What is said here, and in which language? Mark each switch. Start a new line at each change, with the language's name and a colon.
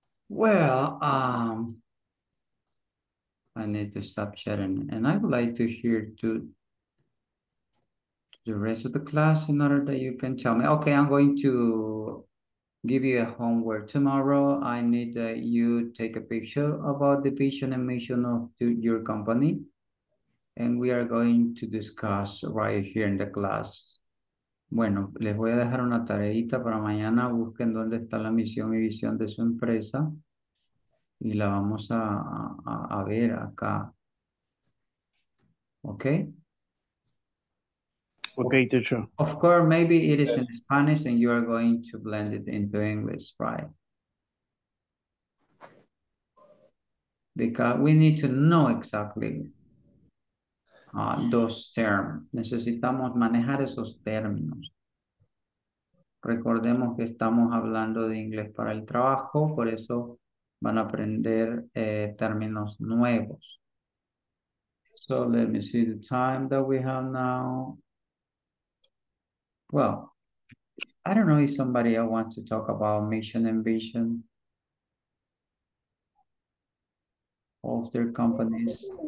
English: Well, I need to stop chatting, and I would like to hear to the rest of the class in order that you can tell me. Okay, I'm going to give you a homework tomorrow. I need that you take a picture about the vision and mission of your company, and we are going to discuss right here in the class.
Spanish: Bueno, les voy a dejar una tareita para mañana. Busquen dónde está la misión y visión de su empresa. Y la vamos a ver acá. Okay.
English: Okay, teacher. Of course, maybe it is in Spanish and you are going to blend it into English, right? Because we need to know exactly those terms.
Spanish: Necesitamos manejar esos términos. Recordemos que estamos hablando de inglés para el trabajo, por eso van a aprender términos nuevos.
English: So let me see the time that we have now. Well, I don't know if somebody else wants to talk about mission and vision of their companies.